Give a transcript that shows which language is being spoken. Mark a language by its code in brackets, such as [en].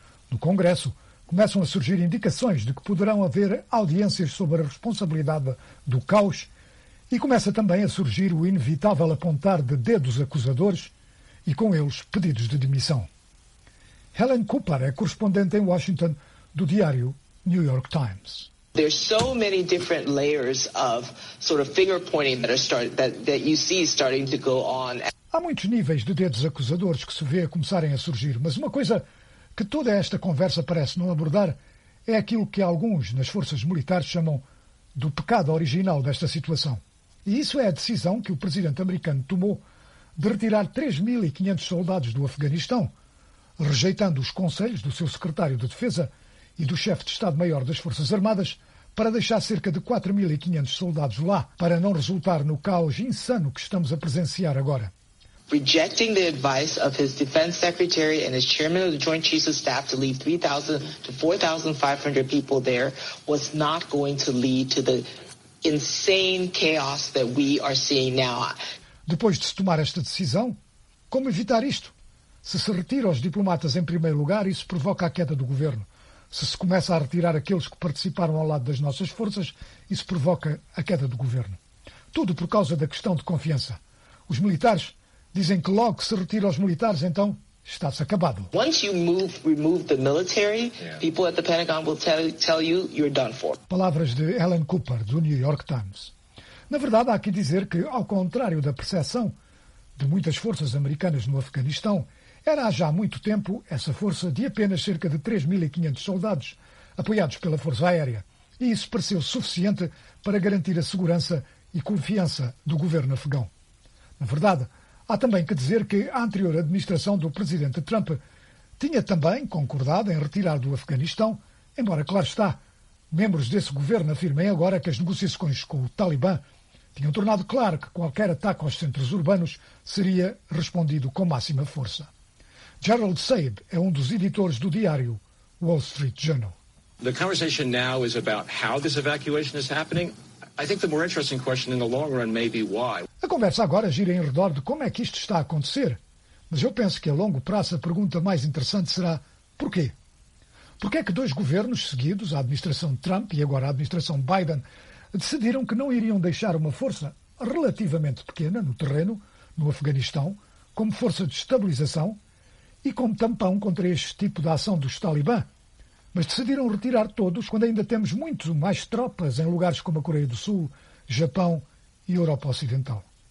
[pt] No Congresso, começam a surgir indicações de que poderão haver audiências sobre a responsabilidade do caos. E começa também a surgir o inevitável apontar de dedos acusadores e, com eles, pedidos de demissão. Helen Cooper é correspondente em Washington do diário New York Times. [en] There's so many different layers of sort of finger pointing that you see starting to go on. [pt] Há muitos níveis de dedos acusadores que se vê a começarem a surgir, mas uma coisa que toda esta conversa parece não abordar é aquilo que alguns nas forças militares chamam do pecado original desta situação. E isso é a decisão que o presidente americano tomou de retirar 3.500 soldados do Afeganistão, rejeitando os conselhos do seu secretário de Defesa e do chefe de Estado-Maior das Forças Armadas para deixar cerca de 4.500 soldados lá, para não resultar no caos insano que estamos a presenciar agora. [en] Rejecting the advice of his defense secretary and his chairman of the Joint Chiefs of Staff to leave 3,000 to 4,500 people there was not going to lead to the insane chaos that we are seeing now. [pt] Depois de se tomar esta decisão, como evitar isto? Se se retira os diplomatas em primeiro lugar, isso provoca a queda do governo. Se se começa a retirar aqueles que participaram ao lado das nossas forças, isso provoca a queda do governo. Tudo por causa da questão de confiança. Os militares dizem que logo que se retira os militares, então está-se acabado. [en] Once you remove the military, people at the Pentagon will tell you you're done for. [pt] Palavras de Helen Cooper, do New York Times. Na verdade, há que dizer que, ao contrário da percepção de muitas forças americanas no Afeganistão, era há já muito tempo essa força de apenas cerca de 3.500 soldados, apoiados pela Força Aérea. E isso pareceu suficiente para garantir a segurança e confiança do governo afegão. Na verdade, há também que dizer que a anterior administração do presidente Trump tinha também concordado em retirar do Afeganistão, embora, claro está, membros desse governo afirmem agora que as negociações com o Talibã tinham tornado claro que qualquer ataque aos centros urbanos seria respondido com máxima força. Gerald Saib é um dos editores do diário Wall Street Journal. [en] The conversation now is about how this evacuation is happening. I think the more interesting question in the long run may be why. [pt] A conversa agora gira em redor de como é que isto está a acontecer, mas eu penso que a longo prazo a pergunta mais interessante será porquê. Porquê é que dois governos seguidos, a administração Trump e agora a administração Biden, decidiram que não iriam deixar uma força relativamente pequena no terreno, no Afeganistão, como força de estabilização e como tampão contra este tipo de ação dos talibã, mas decidiram retirar todos quando ainda temos muito mais tropas em lugares como a Coreia do Sul, Japão e Europa Ocidental?